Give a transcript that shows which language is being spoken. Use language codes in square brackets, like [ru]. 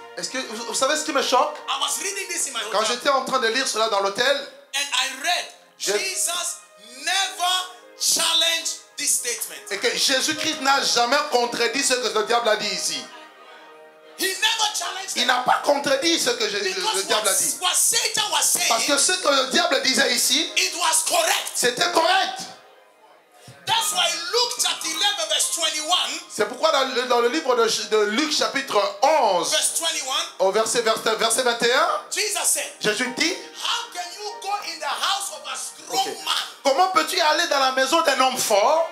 [fr] Est-ce que vous savez ce qui me choque? [en] I was reading this in my hotel. [fr] Quand j'étais en train de lire cela dans l'hôtel, [en] and I read, Jesus never challenged this statement. [fr] Et que Jésus-Christ n'a jamais contredit ce que le diable a dit ici. [en] He never challenged them. [fr] Il n'a pas contredit ce que le diable a dit. [en] What Satan was saying, [fr] parce que ce que le diable disait ici, [en] it was correct. [fr] C'était correct. [en] That's why Luke chapter 11, verse 21, [fr] c'est pourquoi dans le livre de Luc chapitre 11, [en] verse 21, [fr] au verset 21, [en] Jesus said, [fr] Jésus dit, [en] how can you go in the house of a strong okay. man? [fr] Comment peux-tu aller dans la maison d'un homme fort